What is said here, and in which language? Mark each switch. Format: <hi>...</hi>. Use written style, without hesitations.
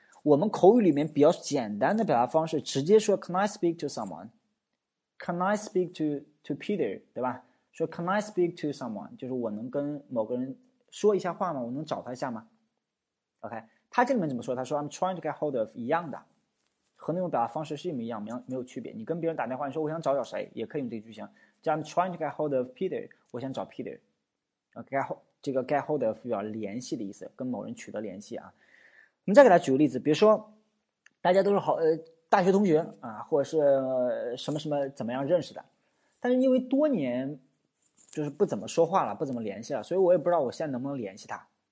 <zh>我们口语里面比较简单的表达方式，直接说</zh> <en>Can I speak to someone？Can I speak to Peter？</en> <zh>对吧？</zh> <en>说 Can I speak to someone？</en> <zh>就是我能跟某个人说一下话吗？我能找他一下吗？OK，他这里面怎么说？他说</zh> <en>I'm trying to get hold of</en> <zh>一样的，和那种表达方式是一模一样，没有区别。你跟别人打电话，你说我想找找谁，也可以用这个句型。</zh> <en>I'm trying to get hold of Peter，</en> <zh>我想找</zh> <en>Peter。</en> <zh>这个 get hold of 表联系的意思，跟某人取得联系啊。我们再给他举个例子，比如说大家都是好大学同学啊，或者是什么什么怎么样认识的，但是因为多年就是不怎么说话了，不怎么联系了，所以我也不知道我现在能不能联系他。</zh>